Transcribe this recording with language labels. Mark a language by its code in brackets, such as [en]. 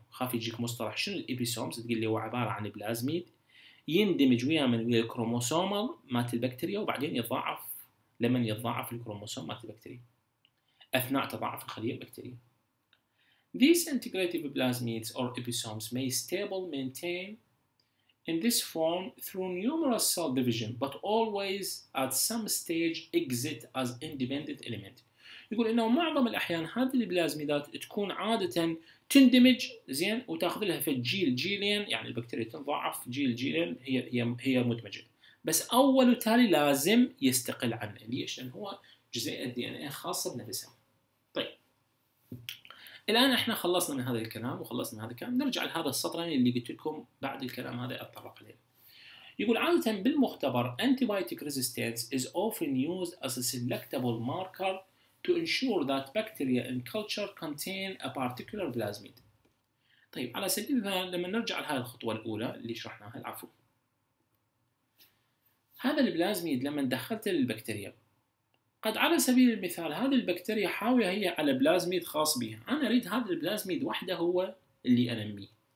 [ar] خاف يجيك مصطلح شنو الإبيسوم، تقول لي هو عبارة عن بلازميد يندمج ويا من الكروموسوم مات البكتيريا وبعدين يضاعف، لما يضاعف الكروموسوم مات البكتيريا أثناء تضاعف الخلية البكتيرية. [en] These integrative plasmids or episomes may stable maintain in this form through numerous cell division but always at some stage exit as independent element. [ar] يقول انه معظم الاحيان هذه البلازميدات تكون عاده تندمج زين وتاخذ لها في جيل جيلين، يعني البكتيريا تضعف جيل جيلين، هي مدمجه، بس اول وتالي لازم يستقل عنه. ليش؟ لان هو جزء الدي ان اي خاصه بنفسها. الآن إحنا خلصنا من هذا الكلام، وخلصنا من هذا الكلام، نرجع لهذا السطرين اللي قلت لكم بعد الكلام هذا أتطرق إليه. يقول عادة بالمختبر [en] antibiotic resistance is often used as a selectable marker to ensure that bacteria in culture contain a particular plasmid. [ar] طيب على سبيل المثال لما نرجع لهذه الخطوة الأولى اللي شرحناها، العفو، هذا البلازميد لما دخلت للبكتيريا، قد على سبيل المثال هذه البكتيريا حاوية هي على بلازميد خاص بها، أنا أريد هذا البلازميد وحده هو اللي أنميه.